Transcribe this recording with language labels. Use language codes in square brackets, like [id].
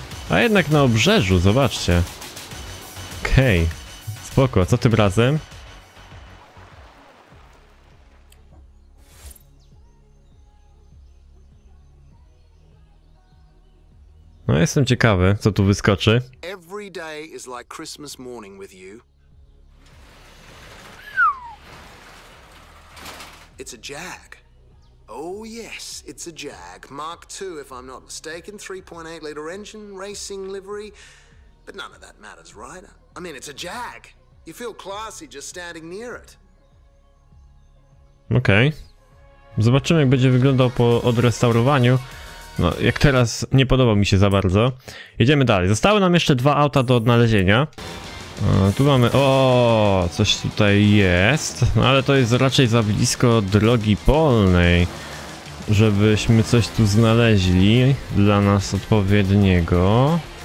[pl] A jednak na obrzeżu, zobaczcie. Okej. Spoko, co tym razem? No, jestem ciekawy, co tu wyskoczy. [en] Every day is like Christmas morning with you. It's a Jag. Oh yes, it's a Jag. Mark II, if I'm not mistaken. 3.8 liter engine, racing livery. But none of that matters, right? I mean, it's a Jag. You feel classy just standing near it. [pl] Okej. Okay. Zobaczymy, jak będzie wyglądał po odrestaurowaniu. No, jak teraz, nie podoba mi się za bardzo. Jedziemy dalej. Zostały nam jeszcze dwa auta do odnalezienia. Tu mamy... O, coś tutaj jest. No, ale to jest raczej za blisko drogi polnej, żebyśmy coś tu znaleźli dla nas odpowiedniego.